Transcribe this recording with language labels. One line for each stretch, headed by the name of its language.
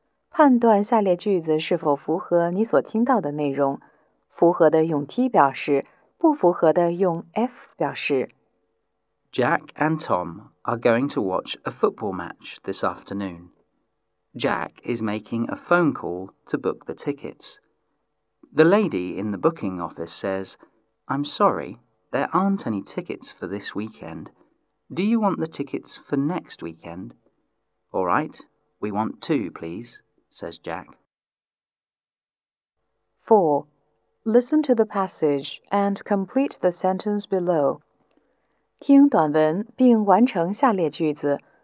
Chinese: 判断下列句子是否符合你所听到的内容。符合的用 T 表示，不符合的用 F 表示。
English: Jack and Tom are going to watch a football match this afternoon. Jack is making a phone call to book the tickets. The lady in the booking office says, I'm sorry, there aren't any tickets for this weekend. Do you want the tickets for next weekend? All right, we want 2, please, says Jack. 4. Listen to the passage and complete the sentence below.
Chinese: 听短文并完成下列句子。